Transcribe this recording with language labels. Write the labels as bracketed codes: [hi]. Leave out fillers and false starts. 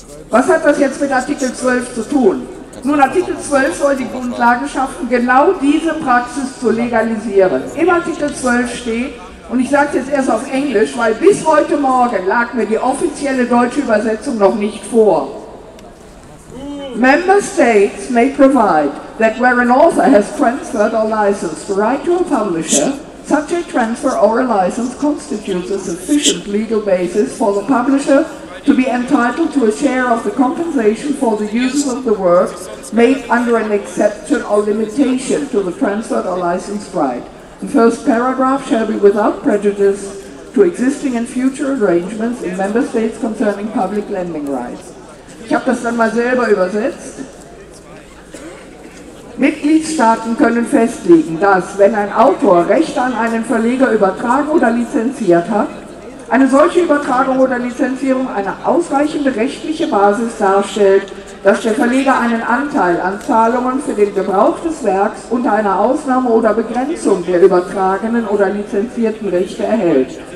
[de] Was hat das jetzt mit Artikel 12 zu tun? Nun, Artikel 12 soll die Grundlage schaffen, genau diese Praxis zu legalisieren. Im Artikel 12 steht, und ich sage es jetzt erst auf Englisch, weil bis heute Morgen lag mir die offizielle deutsche Übersetzung noch nicht vor. [en] Member States may provide that where an author has transferred or licensed the right to a publisher, such a transfer or a license constitutes a sufficient legal basis for the publisher to be entitled to a share of the compensation for the use of the work made under an exception or limitation to the transferred or licensed right. The first paragraph shall be without prejudice to existing and future arrangements in Member States concerning public lending rights. [de] Ich habe das dann mal selber übersetzt. Mitgliedstaaten können festlegen, dass, wenn ein Autor Rechte an einen Verleger übertragen oder lizenziert hat, eine solche Übertragung oder Lizenzierung eine ausreichende rechtliche Basis darstellt, dass der Verleger einen Anteil an Zahlungen für den Gebrauch des Werks unter einer Ausnahme oder Begrenzung der übertragenen oder lizenzierten Rechte erhält.